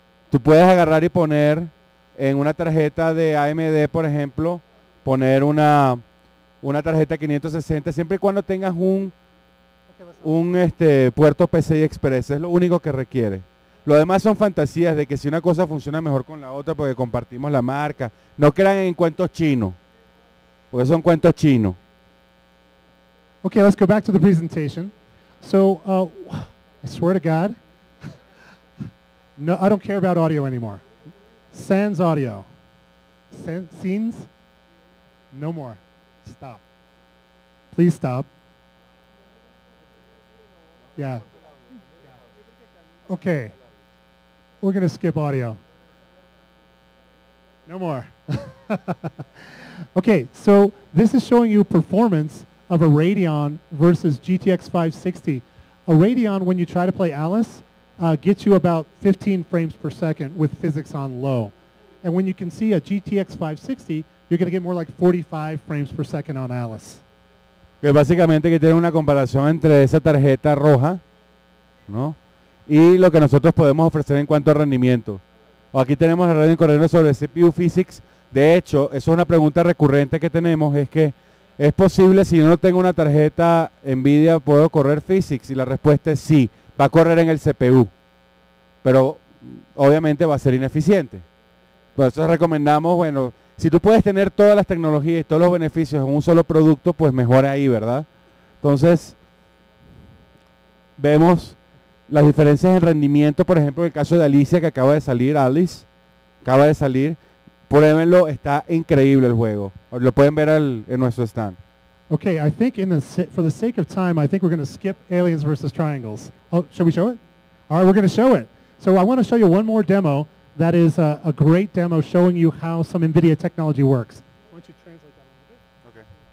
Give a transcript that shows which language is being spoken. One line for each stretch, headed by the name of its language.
Spanish: Tú puedes agarrar y poner en una tarjeta de AMD, por ejemplo, poner una tarjeta 560, siempre y cuando tengas un puerto PCI Express, es lo único que requiere. Lo demás son fantasías de que si una cosa funciona mejor con la otra porque compartimos la marca. No crean en cuentos chinos, porque son cuentos chinos.
English: Okay, let's go back to the presentation. So, I swear to God, no, I don't care about audio anymore. Sans audio. Scenes? No more. Stop. Please stop. Yeah. Okay. We're going to skip audio. No more. Okay, so this is showing you performance of a Radeon versus GTX 560. A Radeon, when you try to play Alice, gets you about 15 frames per second with physics on low. And when you can see a GTX 560, you're going to get more like 45 frames per second on Alice.
Spanish: Que básicamente que tiene una comparación entre esa tarjeta roja, ¿no?, y lo que nosotros podemos ofrecer en cuanto a rendimiento. O aquí tenemos el Radeon corriendo sobre CPU Physics De hecho, eso es una pregunta recurrente que tenemos, es que ¿es posible si yo no tengo una tarjeta NVIDIA puedo correr physics? Y la respuesta es sí, va a correr en el CPU, pero obviamente va a ser ineficiente. Por eso recomendamos, bueno, si tú puedes tener todas las tecnologías y todos los beneficios en un solo producto, pues mejor ahí, ¿verdad? Entonces, vemos las diferencias en rendimiento, por ejemplo, en el caso de Alicia que acaba de salir, pruébenlo, está increíble el juego. Lo pueden ver en nuestro stand.
English: Okay, I think for the sake of time, I think we're going to skip Aliens versus Triangles. Oh, should we show it? All right, we're going to show it. So I want to show you one more demo that is a great demo showing you how some NVIDIA technology works. Why don't you translate that a little bit?